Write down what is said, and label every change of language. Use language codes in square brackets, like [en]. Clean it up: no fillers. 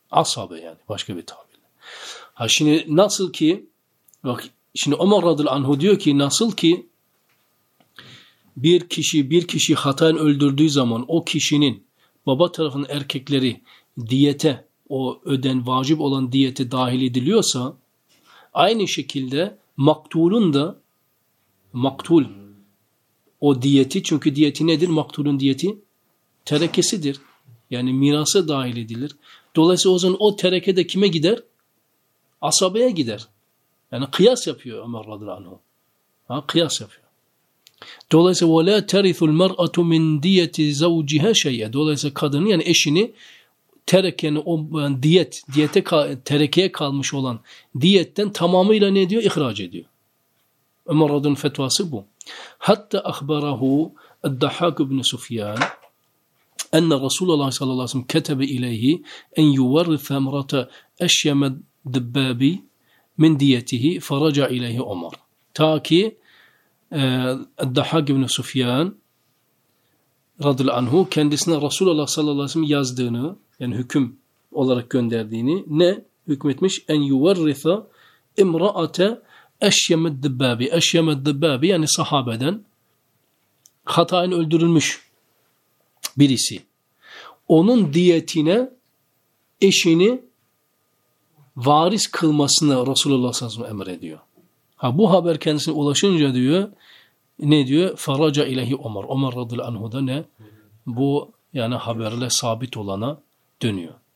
[tr] Asabe yani başka bir tabirle. Ha şimdi nasıl ki bak şimdi Ömer radıyallahu anhu diyor ki nasıl ki bir kişi hatayen öldürdüğü zaman o kişinin baba tarafının erkekleri diyete o öden vacip olan diyete dahil ediliyorsa aynı şekilde maktulun da maktul o diyeti çünkü diyeti nedir? Maktulun diyeti terekesidir. Yani mirasa dahil edilir. Dolayısıyla o zaman o tereke de kime gider? Asabeye gider. Yani kıyas yapıyor Ömer radıyallahu anhu. Ha, kıyas yapıyor. Dolayısıyla [ar] وَلَا تَرِثُ الْمَرْأَةُ مِنْ دِيَةِ زَوْجِهَا شَيْءَ. [tr] Dolayısıyla kadını, yani eşini terek, yani o yani diyet, diyete terekeye kalmış olan diyetten tamamıyla ne diyor? İhraç ediyor. Ömer radıyallahu anhu fetvası bu. [ar] Hatta akhbarahu Ad-Dahhak ibn Sufyan أن رسول الله صلى الله عليه وسلم كتب إليه أن يورث امرأة أشيم الدبابي من ديته فرجع إليه عمر تاكي الضحاك بن سفيان رضي الله عنه kendisine رسول الله صلى الله عليه وسلم [tr] yazdığını yani hüküm olarak gönderdiğini ne hükmetmiş [ar] أن يورث امرأة أشيم الدبابي أشيم الدبابي [tr] yani sahabeden hatayen öldürülmüş birisi. Onun diyetine eşini varis kılmasını Resulullah sallallahu aleyhi ve sellem emrediyor. Ha, bu haber kendisine ulaşınca diyor, ne diyor? [ar] Faraca ilahi [tr] Ömer. Ömer radıyallahu anhu da ne? Bu yani haberle sabit olana dönüyor.